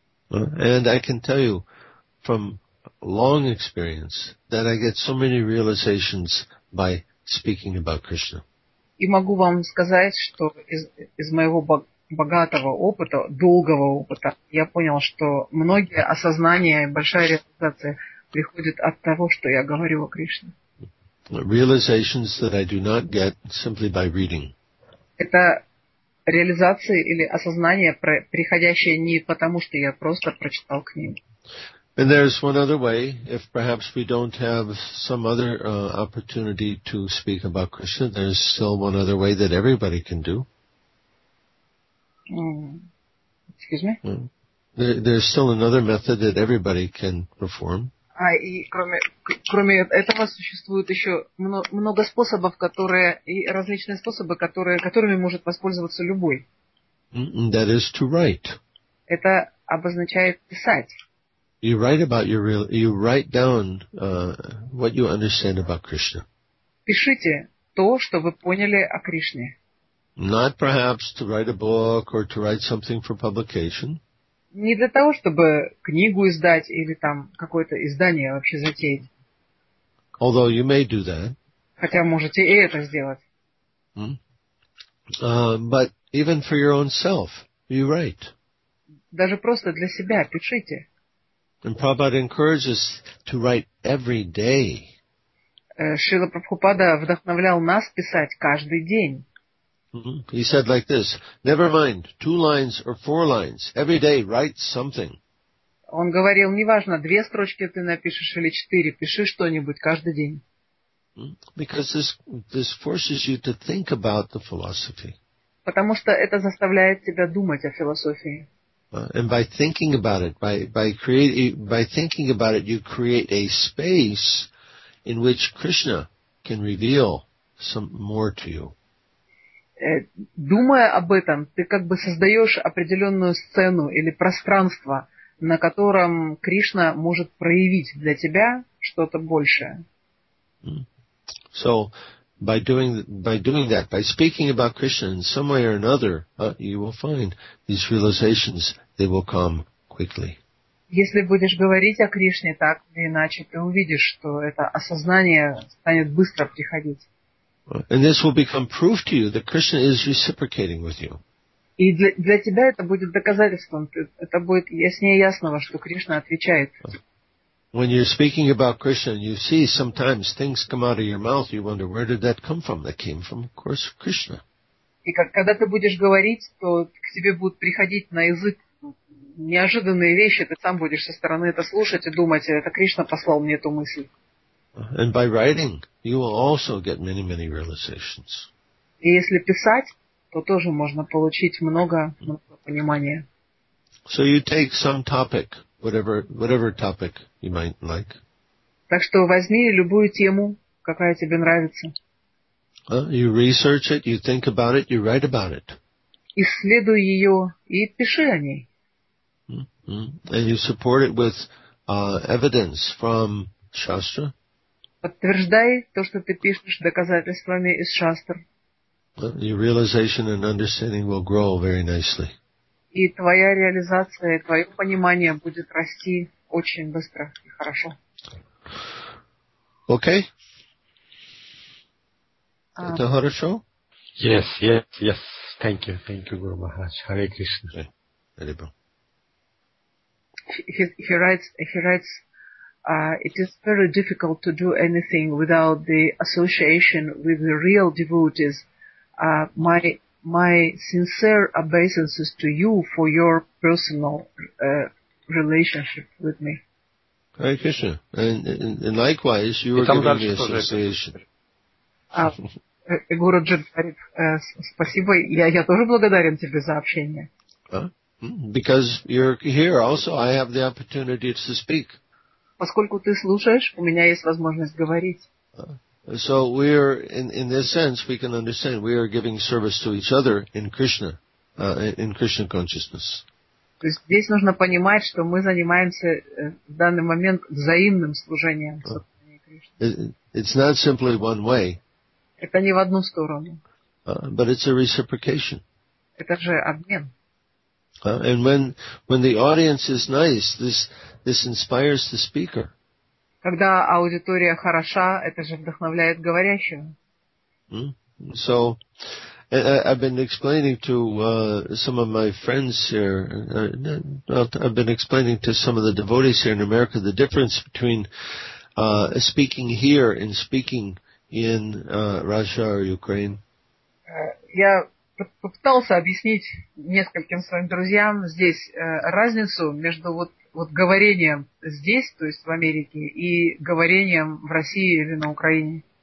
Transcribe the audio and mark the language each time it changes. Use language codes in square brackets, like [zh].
[en] And I can tell you from long experience that I get so many realizations by speaking about Krishna. [ru] И могу вам сказать, что из моего богатого опыта, долгого опыта, я понял, что многие осознания и большая реализация приходит от того, что я говорю о Кришне. [en] Realizations that I do not get simply by reading. [ru] Это реализации или осознания, приходящие не потому, что я просто прочитал книгу. [en] And there's one other way, if perhaps we don't have some other opportunity to speak about Krishna, there's still one other way that everybody can do. Excuse me? There's still another method that everybody can perform. [ru] И кроме этого существует еще много способов, которые и различные способы, которыми может воспользоваться любой. [en] That is to write. [ru] Это обозначает писать. [en] You write about your real. You write down what you understand about Krishna. [ru] Пишите то, что вы поняли о Кришне. [en] Not perhaps to write a book or to write something for publication. [ru] Не для того, чтобы книгу издать или там какое-то издание вообще затеять. [en] Although you may do that. [ru] Хотя можете и это сделать. [en] But even for your own self, you write. [ru] Даже просто для себя пишите. [en] And Prabhupada encourages to write every day. [ru] Шрила Прабхупада вдохновлял нас писать каждый день. [en] He said like this: never mind two lines or four lines. Every day write something. [ru] Он говорил: неважно, две строчки ты напишешь или четыре, пиши что-нибудь каждый день. [en] Because this forces you to think about the philosophy. [ru] Потому что это заставляет тебя думать о философии. [en] And by thinking about it, by thinking about it, you create a space in which Krishna can reveal some more to you. [ru] Думая об этом, ты как бы создаешь определенную сцену или пространство, на котором Кришна может проявить для тебя что-то большее. [en] So, by doing that, by speaking about Krishna in some way or another, you will find these realizations, they will come quickly. [ru] Если будешь говорить о Кришне так или иначе, ты увидишь, что это осознание станет быстро приходить. [en] And this will become proof to you that Krishna is reciprocating with you. [ru] И для тебя это будет доказательством. Это будет яснее ясного, что Кришна отвечает. [en] When you're speaking about Krishna, you see sometimes things come out of your mouth, you wonder, where did that come from? That came from, of course, Krishna. [ru] И когда ты будешь говорить, то к тебе будут приходить на язык неожиданные вещи, ты сам будешь со стороны это слушать и думать, это Кришна послал мне эту мысль. [en] And by writing, you will also get many, many realizations. [ru] И если писать, то тоже можно получить много, много понимания. [en] So you take some topic, whatever topic you might like. [ru] Так что возьми любую тему, какая тебе нравится. [en] You research it, you think about it, you write about it. [ru] Исследуй ее и пиши о ней. Mm-hmm. [en] And you support it with evidence from Shastra. [ru] Подтверждай то, что ты пишешь, доказательствами из шастр. [en] Your realization and understanding will grow very nicely. [ru] И твоя реализация, твое понимание будет расти очень быстро и хорошо. [en] Okay. [ru] Это хорошо? [en] Yes, yes, yes. Thank you, Guru Maharaj. Hare Krishna. Okay. He writes, it is very difficult to do anything without the association with the real devotees. My sincere obeisances to you for your personal relationship with me. Hare Krishna. And likewise, you are giving me association. [ru] Гуру Джан говорит, спасибо, я тоже благодарен тебе за общение. [en] Because you're here also, I have the opportunity to speak. [ru] Поскольку ты слушаешь, у меня есть возможность говорить. [en] So we are in this sense we can understand we are giving service to each other in Krishna, in Krishna consciousness. [ru] То есть здесь нужно понимать, что мы занимаемся в данный момент взаимным служением. [en] It's not simply one way. [ru] Это не в одну сторону. [en] But it's a reciprocation. [ru] Это же обмен. [en] And when the audience is nice, this inspires the speaker. [ru] Когда аудитория хороша, это же вдохновляет говорящего. [en] So, I've been explaining to some of my friends here, I've been explaining to some of the devotees here in America the difference between speaking here and speaking in Russia or Ukraine. [ru] Я попытался объяснить нескольким своим друзьям здесь разницу между вот говорением здесь, то есть в Америке, и говорением в России или на Украине.